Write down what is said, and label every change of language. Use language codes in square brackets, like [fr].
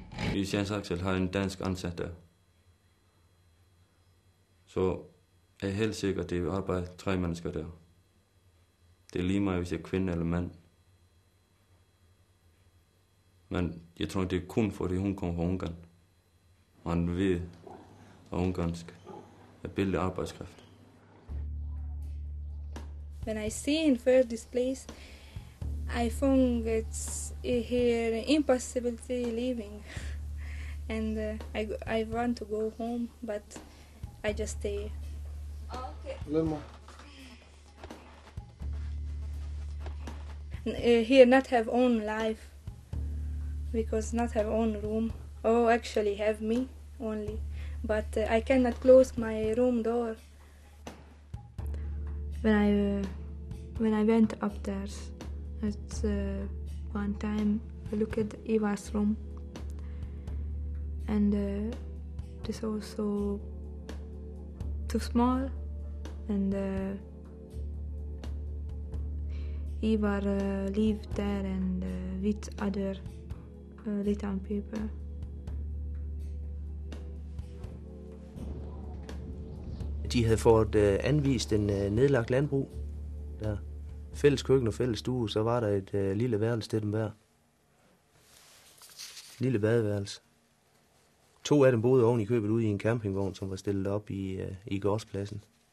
[da] Hvis Jens Axel har en dansk ansat, så er jeg helt sikker, at det arbejder tre mennesker der. Det er lige meget, hvis jeg er kvinde eller mand. Men jeg tror, det er kun fordi hun kommer fra Ungarn. Og han ved, at ungarnsk er billig arbejdskraft. [en] When I see in first this place, I think it's here impossibility living. And I want to go home, but I just stay. Okay. Here not have own life, because not have own room. Oh, actually have me only, but I cannot close my room door. When I went up there, at one time I looked at Eva's room, and it is also too small. And Ivar lived there and with other little people. [da] De havde fået anvist en nedlagt landbrug. Der. Fælles køkken og fælles stue, så var der et lille værelse til dem hver. Lille badeværelse. To af dem boede oven i købet ude i en campingvogn, som var stillet op i gårdspladsen.